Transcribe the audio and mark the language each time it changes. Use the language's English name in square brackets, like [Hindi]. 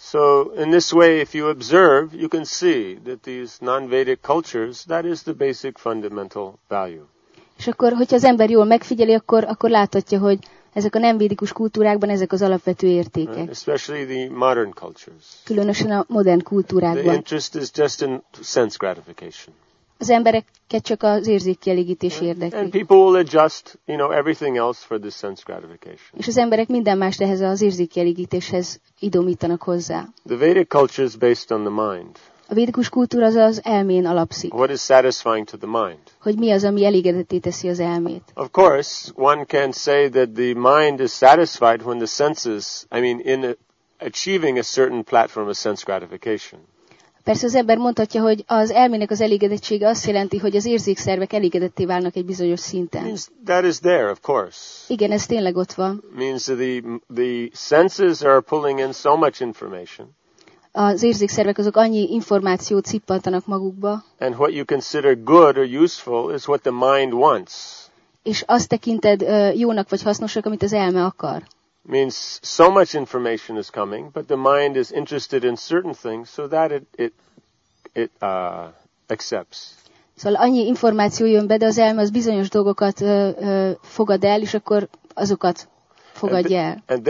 [English] So in this way, if you observe, you can see that these non-Vedic cultures, that is the basic fundamental value. [Hungarian] És akkor, hogyha az ember jól megfigyeli, akkor láthatja, hogy ezek a nem védikus kultúrákban ezek az alapvető értékek. [English] Right? Especially the modern cultures. [Hungarian] Különösen a modern kultúrákban. [English] The interest is just in sense gratification. [Hungarian] Az embereket csak az érzékkielégítés érdekli. [English] And people will adjust, you know, everything else for the sense gratification. [Hungarian] És az emberek minden más ehhez az érzékkielégítéshez idomítanak hozzá. [English] The Vedic culture is based on the mind. [Hungarian] A védikus kultúra az elmén alapszik. [English] What is satisfying to the mind? [Hungarian] Hogy mi az, ami elégedetté teszi az elmét? [English] Of course, one can say that the mind is satisfied when the senses, I mean, in achieving a certain platform of sense gratification. [Hungarian] Persze az ember mondhatja, hogy az elmének az elégedettsége azt jelenti, hogy az érzékszervek elégedetté válnak egy bizonyos szinten. [English] Means that is there, of course. [Hungarian] Igen, ez tényleg ott van. [English] Means the senses are pulling in so much information. [Hungarian] Az érzékszervek azok annyi információt cippantanak magukba. [English] And what you consider good or useful is what the mind wants. [Hungarian] És azt tekinted jónak vagy hasznosnak, amit az elme akar. [English] Means so much information is coming, but the mind is interested in certain things so that it accepts. [Hungarian] Szóval annyi információ jön be, de az elme az bizonyos dolgokat fogad el, és akkor azokat fogadja el.